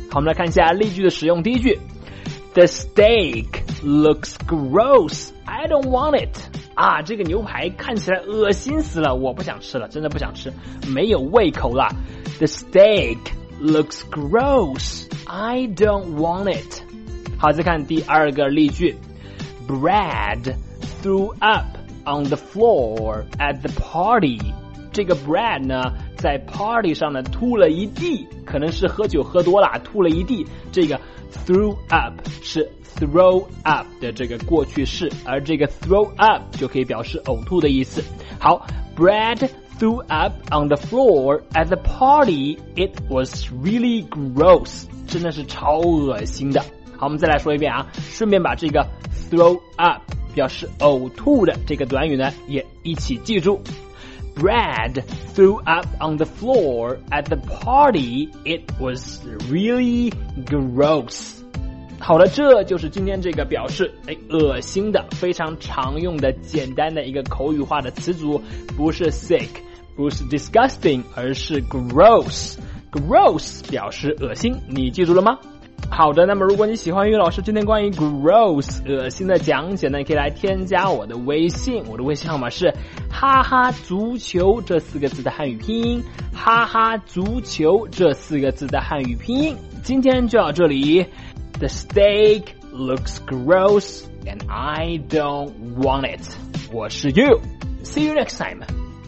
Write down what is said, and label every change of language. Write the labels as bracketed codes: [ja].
[zh] 好，我们来看一下例句的使用。第一句， [en] The steak looks gross, I don't want it。 [zh] 啊，这个牛排看起来恶心死了，我不想吃了，真的不想吃，没有胃口了。 [en] The steak looks gross, I don't want it。 [zh] 好，再看第二个例句， [en] Brad threw up on the floor at the party。 [zh] 这个 Brad 呢在 party 上呢吐了一地，可能是喝酒喝多了吐了一地。这个 threw up 是 throw up 的这个过去式，而这个 throw up 就可以表示呕吐的意思。 [en] 好， Brad threw up on the floor at the party, it was really gross, [zh] 真的是超恶心的。好，我们再来说一遍啊，顺便把这个 throw up 表示呕吐的这个短语呢也一起记住。 [en] Brad threw up on the floor at the party, it was really gross。 [zh] 好了，这就是今天这个表示恶心的非常常用的简单的一个口语化的词组，不是 sick， 不是 disgusting， 而是 gross。 Gross 表示恶心，你记住了吗？好的，那么如果你喜欢于老师今天关于 gross 恶心的讲解呢，可以来添加我的微信，我的微信号码是哈哈足球这四个字的汉语拼音，哈哈足球这四个字的汉语拼音。今天就到这里， [en] The steak looks gross and I don't want it。 [zh] 我是 [en] you， See you next time。